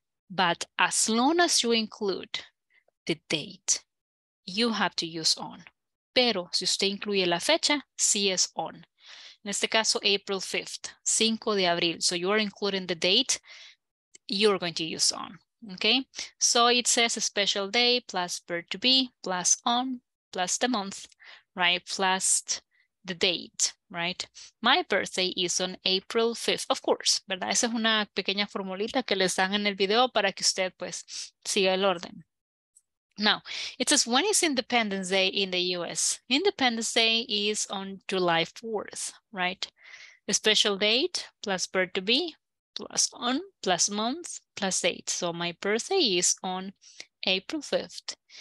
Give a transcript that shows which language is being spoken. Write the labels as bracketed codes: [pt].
[en] But as long as you include the date, you have to use on. [es] Pero si usted incluye la fecha, sí es on. En este caso, April 5th, 5 de abril. [en] So you are including the date, you're going to use on, okay? So it says a special day plus birth to be plus on plus the month, right? Plus the date, right? My birthday is on April 5th, of course, ¿verdad? [es] Esa es una pequeña formulita que les dan en el video para que usted pues siga el orden. [en] Now, it says, when is Independence Day in the US? Independence Day is on July 4th, right? A special date plus birth to be plus on plus month plus date. So my birthday is on April 5th.